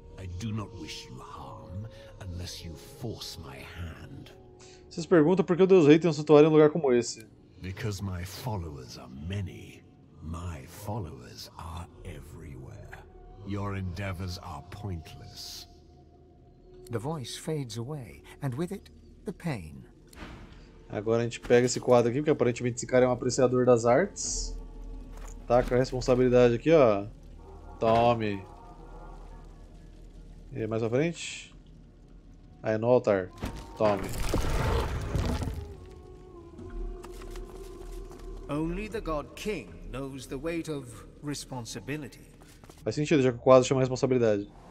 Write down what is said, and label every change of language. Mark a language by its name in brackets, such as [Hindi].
[English] I do not wish you harm unless you force my hand. [Portuguese] Vocês perguntam por que o Deus Rei tem um santuário em um lugar como esse? [English] Because my followers are many. My followers are everywhere. Your endeavors are pointless. The voice fades away, and with it, the pain. [Portuguese] Agora a gente pega esse quadro aqui, porque aparentemente esse cara é um apreciador das artes. Tá com a responsabilidade aqui, ó. Tome. E mais pra frente? Aí no altar. Tome. [English] Only the God King knows the weight of responsibility. [Portuguese] Faz sentido, já que o quadro chama responsabilidade.